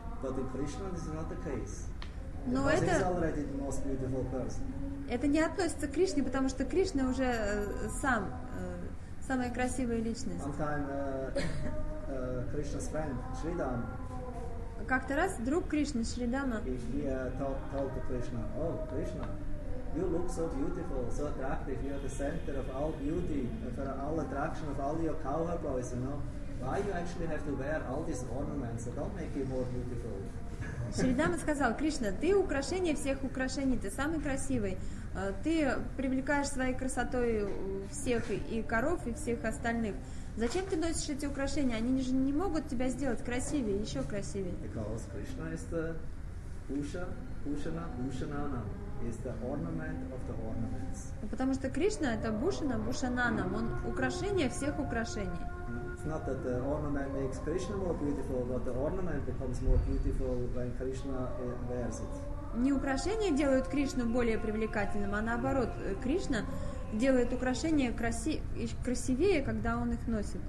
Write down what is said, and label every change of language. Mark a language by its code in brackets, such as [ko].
[en] But in Krishna, this is not the case. [ru] Но это [en] already the most beautiful person. [ru] Это не относится к Кришне, потому что Кришна уже сам самая красивая личность. [en] Sometimes Krishna's friend Shridhar. [ru] Как-то раз друг Кришны Шридама. [en] He told to Krishna, "Oh, Krishna, you look so beautiful, so attractive. You are the center of all beauty, for all attraction of all your cowherd boys, you know." Why you actually have to wear all these ornaments? They don't make you more beautiful. [ru] Шридама сказал: Кришна, ты украшение всех украшений, ты самый красивый. Ты привлекаешь своей красотой всех и коров, и всех остальных. Зачем ты носишь эти украшения? Они же не могут тебя сделать красивее, еще красивее. [en] Because Krishna is the Pusha, Bhushana, Bhushananam is the ornament of the ornaments. [ru] Потому что Кришна это Бушана, Бушананам, он украшение всех украшений. [en] It's not that the ornament makes Krishna more beautiful, but the ornament becomes more beautiful when Krishna wears it. [ru] Не украшения делают Кришну более привлекательным, а наоборот, Кришна делает украшения красивее, когда он их носит.